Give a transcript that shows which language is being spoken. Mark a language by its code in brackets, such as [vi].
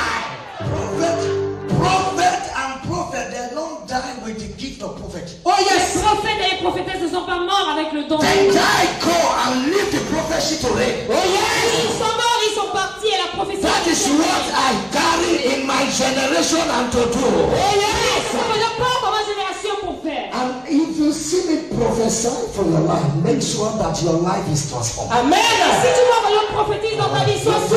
[en] Prophet and prophet, they don't die with the gift of prophecy. Oh yes. [fr] Les prophètes et les prophétesses ne sont pas morts avec le don. [en] They die, go and leave the prophecy to live. Oh yes. [fr] Ils sont morts. [en] That is what I carry in my generation and to do. Yes. And if you see me prophesy for your life, make sure that your life is transformed. Amen. [fr] Si tu vois mon prophétie dans ta vie, sois sûr